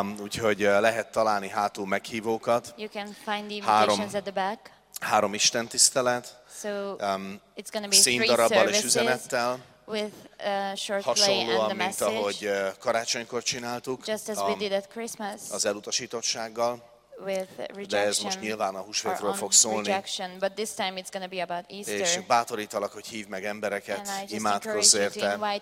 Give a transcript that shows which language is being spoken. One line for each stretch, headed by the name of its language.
Hungarian: Úgyhogy lehet találni hátul meghívókat.
English: You can find the invitations at the back.
Hungarian: Három istentisztelet.
English: So it's going to be three
Hungarian: darabbal is üzenettel.
English: With short play and the message.
Hungarian: Hasonlóan, mint ahogy karácsonykor csináltuk.
English: Just as we did at Christmas.
Hungarian: Az elutasítottsággal.
English: With rejection.
Hungarian: De ez most nyilván a húsvétről fog szólni.
English: Rejection, but this time it's gonna be about Easter.
Hungarian: És bátorítalak, hogy hívd meg embereket, imádkozz érte.